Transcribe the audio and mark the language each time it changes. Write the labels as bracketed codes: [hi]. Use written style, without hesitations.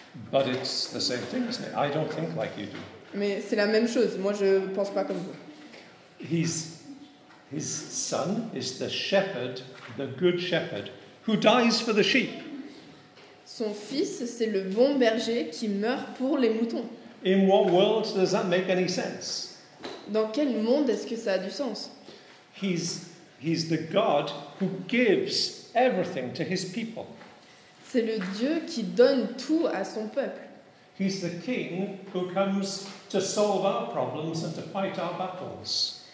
[en] But it's the same thing, isn't it? I don't think like you do. [fr] Mais c'est la même chose. Moi, je pense pas comme vous. [en] He's His son is the shepherd, the good shepherd, who dies for the sheep. [fr] Son fils, c'est le bon berger qui meurt pour les moutons. [en] In what world does that make any sense? [fr] Dans quel monde est-ce que ça a du sens? [en] He's the God who gives everything to his people. [fr] C'est le Dieu qui donne tout à son peuple. [en] He's the king who comes to solve our problems and to fight our battles.